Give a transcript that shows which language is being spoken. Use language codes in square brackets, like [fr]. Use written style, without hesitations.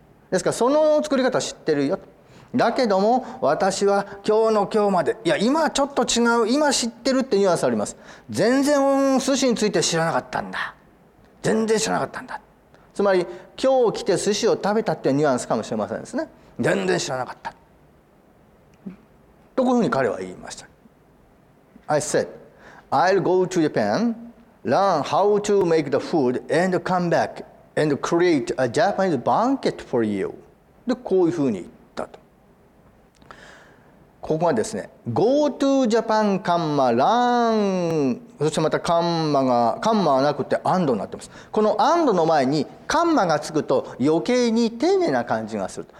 [ja] ですからその作り方知ってるよ。だけども私は今日の今日まで、いや今はちょっと違う、今知ってるってニュアンスあります。全然寿司について知らなかったんだ、全然知らなかったんだ。つまり今日来て寿司を食べたっていうニュアンスかもしれませんですね。全然知らなかったと、こういうふうに彼は言いました。 [en] I said I'll go to Japan, learn how to make the food and come back and create a Japanese banquet for you. [ja] で、こういうふうに言ったと。ここはですね、 [en] Go to Japan [ja] カンマラーン、そしてまたカンマはなくてアンドになってます。このアンドの前にカンマがつくと余計に丁寧な感じがする。